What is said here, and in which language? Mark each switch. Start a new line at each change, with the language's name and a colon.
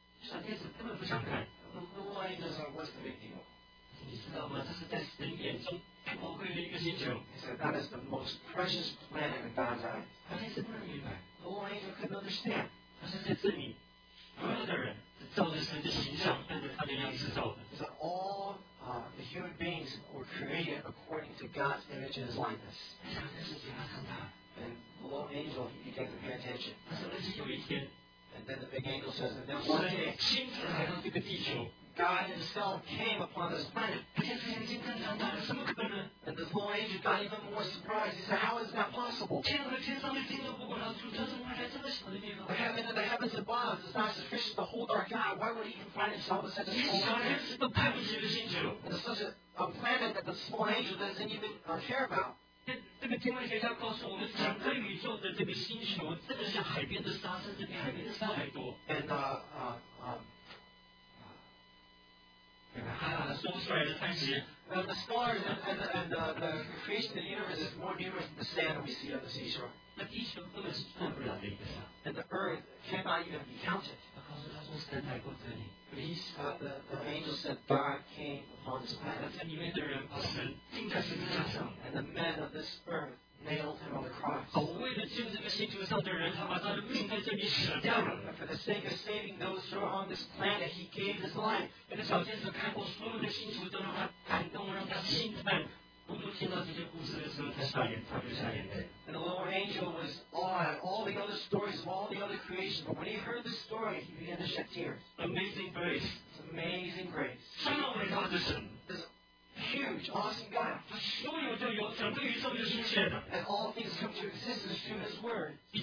English: The little angel is like, what's the big deal?
Chinese: 你知道吗？这是在神眼中最宝贵的一个星球。
English: He said that is the most precious planet in God's eyes.
Chinese: 他真是不能明白。
English: The whole angel couldn't understand.
Chinese: 他说在这里，所有的人是照着神的形象，按照他的样式造的。
English: He said all the human beings were created according to God's image and His likeness.
Chinese: 这是什么？
English: And the little angel began to pay attention.
Chinese: 他说那是有一天。
English: And then the big angel says, and then one day,
Chinese: 亲自来到这个地球。
English: God Himself came upon this planet. And this little angel got even more surprised. He said, how is that possible? The heaven and the heavens above is not sufficient to hold our God. Why would He even find Himself in such a small planet? It's such a planet that the small angel doesn't even care about.
Chinese: 这个天文学家告诉我们，整个宇宙的这个星球，这个像海边的沙，甚至比海边的沙还多。
English: And
Chinese: 说不出来的叹息。
English: The stars and the creation of the universe is more numerous than the sand we see on the seashore.
Chinese: 那地球根本是算不了的一个沙。
English: And the earth cannot even be counted.
Chinese: 他告诉他说，神来过这里。
English: The angel said, God came upon this planet.
Chinese: 这里面的人把神钉在十字架上。
English: And the men of this earth nailed him on the cross.
Chinese: 为了救这个星球上的人，他把他的命在这里舍掉了。
English: For the sake of saving those who are on this planet, he gave his life.
Chinese: 那个小天使看过所有的星球，都让他感动，让他心疼。
English: And the little angel was awed at all the other stories of all the other creation. But when he heard the story, he began to shed tears. Amazing grace. It's amazing grace. This huge, awesome God. And all things come to existence through his word.